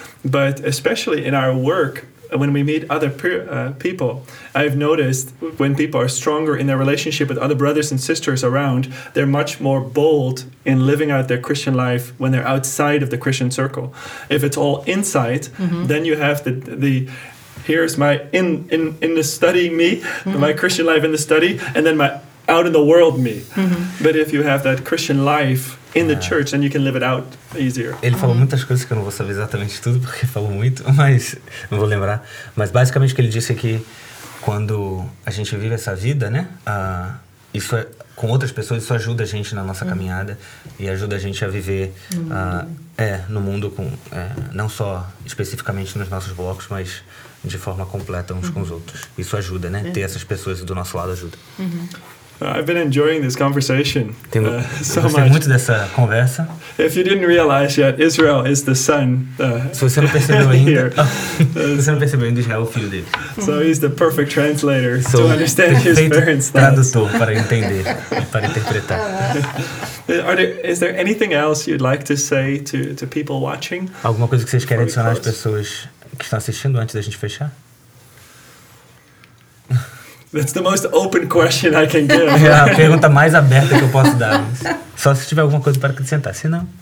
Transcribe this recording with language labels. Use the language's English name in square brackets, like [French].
[English] But especially in our work, when we meet other people, I've noticed when people are stronger in their relationship with other brothers and sisters around, they're much more bold in living out their Christian life when they're outside of the Christian circle. If it's all inside, mm-hmm. then you have the here's my in the study me, mm-hmm. my Christian life in the study, and then my out in the world me. Mm-hmm. But if you have that Christian life in the church, then you can live it out easier. [Portuguese] Ele falou muitas coisas que eu não vou saber exatamente tudo, porque falou muito, mas não vou lembrar. Mas basicamente o que ele disse é que quando a gente vive essa vida, né, isso é, com outras pessoas, isso ajuda a gente na nossa mm-hmm. caminhada e ajuda a gente a viver no mundo, não só especificamente nos nossos blocos, mas de forma completa uns com os outros. Isso ajuda, né? Ter essas pessoas do nosso lado ajuda. [English] Uh-huh. I've been enjoying this conversation. [Portuguese] Tenho gostei muito dessa conversa. [English] If you didn't realize yet, Israel is the son. [Portuguese] Se você não percebeu ainda. Você não percebeu ainda, Israel é o filho dele. [English] So he's the perfect translator to understand his parents. [Portuguese] Tradutor para entender, para interpretar. [English] Is there anything else you'd like to say to people watching? [Portuguese] Alguma coisa que vocês querem adicionar às pessoas que estão assistindo antes da gente fechar? [English] That's the most open question I can give. [Portuguese] É a pergunta mais aberta que eu posso dar. Só se tiver alguma coisa para acrescentar, se não.